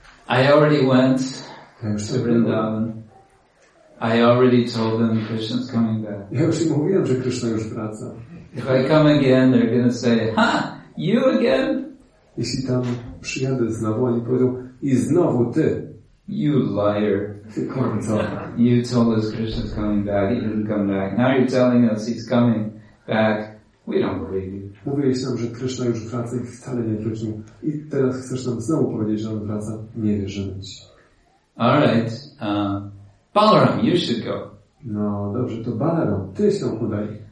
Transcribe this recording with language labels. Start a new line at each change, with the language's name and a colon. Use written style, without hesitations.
English: I already went to Vrindavan. I already told them Krishna's coming back.
Polish: Ja już im mówiłem, że Krishna już wraca.
English: If I come again, they're gonna say, ha! You again?
Polish: Jeśli tam przyjadę znowu, oni powiedzą, i znowu ty.
English: You liar.
Polish: Ty kłamco.
English: You told us Krishna's coming back, he didn't come back. Now you're telling us he's coming back. We don't believe you.
Polish: Mówiłeś nam, że Krishna już wraca i wcale nie wrócił. I teraz chcesz nam znowu powiedzieć, że on wraca. Nie wierzymy ci.
English: Alright. Balaram, you should go.
Polish: No dobrze, to Balaram, ty się udaj.